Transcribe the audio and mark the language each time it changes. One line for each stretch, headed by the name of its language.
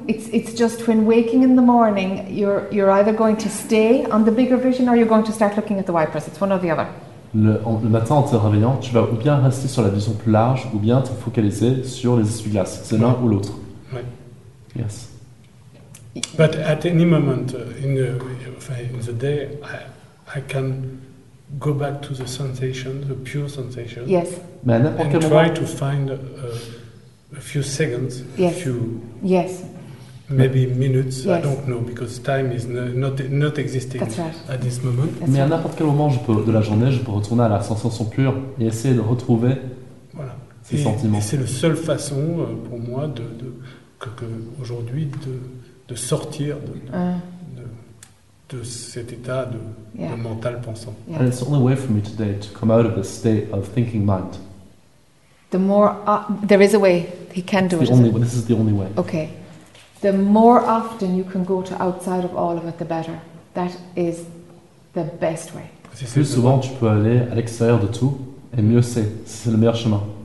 English: It's just when waking in the morning, you're either going to stay on the bigger vision or you're going to start looking at the wipers. It's one or the other.
French: Le matin en te réveillant, tu vas ou bien rester sur la vision plus large ou bien te focaliser sur les essuie-glaces. C'est l'un ou l'autre. Oui.
English: Yes. But at any moment in the day, I can go back to the sensation, the pure sensation. Yes.
French: Mais à n'importe quel moment.
English: Try to find a few seconds, yes. A few. Yes. Maybe minutes. Yes. I don't know because time is not existing. That's right. At this moment. That's
French: mais
English: right.
French: À n'importe quel moment, je peux retourner à la sensation pure et essayer de retrouver. Voilà. Ces sentiments. Et c'est la seule façon pour moi de aujourd'hui de sortir de. De cet état de, yeah. De mental pensant.
English: Yeah. And it's the only way for me today to come out of this state of thinking mind. The more there is a way, he can do it. This is the only way. Okay. The more often you can go to outside of all of it, the better. That is the best way.
French: Plus souvent tu peux aller à l'extérieur de tout, et mieux c'est le meilleur chemin.